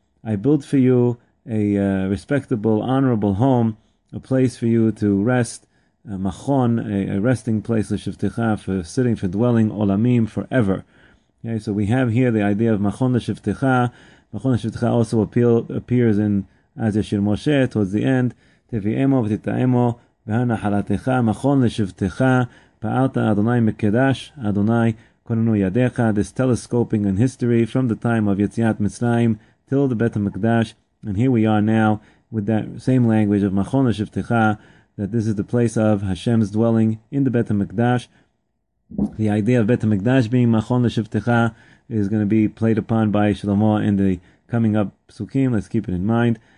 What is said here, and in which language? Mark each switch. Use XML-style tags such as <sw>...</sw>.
<en>I built for you a respectable, honorable home, a place for you to rest, machon, a resting place leshivtecha, for sitting, for dwelling, olamim, forever. Okay, so we have here the idea of Machon Leshivtecha. Machon Leshivtecha also appears in Az Yashir Moshe towards the end.</en> <he>Tevi'emo v'titaemo והנחלתך, מכון לשבתך, פעלת אדוני מקדש, אדוני, קוננו ידיך.</he> <en>This telescoping in history from the time of יציאת מצרים till the Bet HaMikdash, and here we are now with that same language of מכון לשבתך, that this is the place of Hashem's dwelling in the Bet HaMikdash. The idea of Bet HaMikdash being מכון לשבתך is going to be played upon by Shlomo in the coming up psukim. Let's keep it in mind.</en>